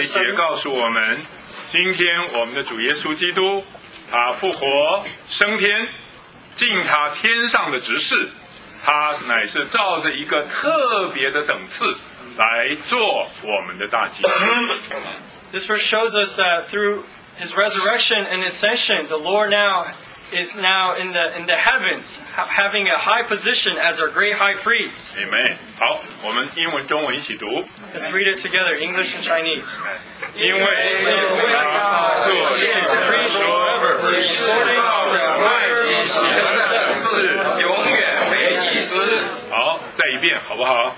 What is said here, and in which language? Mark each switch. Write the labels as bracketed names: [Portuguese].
[Chinese] 这一节告诉我们，今天我们的主耶稣基督，他复活升天，进他天上的职事，他乃是照着一个特别的等次来做我们的大祭司。 [English] This verse shows us that through his resurrection and ascension, the Lord now is now in the heavens, having a high position as our great high priest. Amen. [Chinese] 好，我们英文中文一起读。 [English] Let's read it together, English and Chinese. [Chinese] 因为他做见证人，说说到的外祭司的事，永远为祭司。好，再一遍，好不好